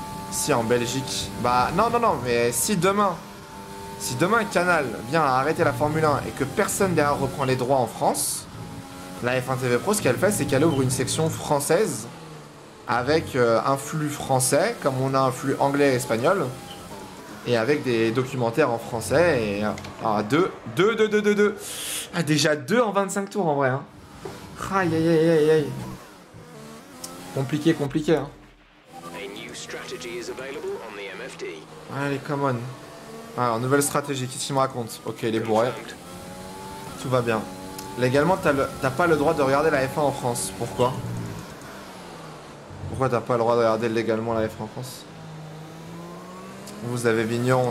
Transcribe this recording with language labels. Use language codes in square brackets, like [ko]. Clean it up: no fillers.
[fr] Si, en Belgique. Bah, non, mais si demain... Si demain Canal vient à arrêter la Formule 1 et que personne derrière reprend les droits en France, la F1 TV Pro, ce qu'elle fait, c'est qu'elle ouvre une section française avec un flux français, comme on a un flux anglais et espagnol, et avec des documentaires en français, et... Deux. Ah, déjà deux en 25 tours, en vrai, hein. Aïe. Compliqué, hein. [en] A new strategy is available on the MFD. [fr] Allez, [en] come on. [fr] Alors, nouvelle stratégie, qu'est-ce qu'il me raconte? Ok, il est bourré. Tout va bien. Légalement, t'as pas le droit de regarder la F1 en France. Pourquoi? Pourquoi t'as pas le droit de regarder légalement la F1 en France? Vous avez Vigneron.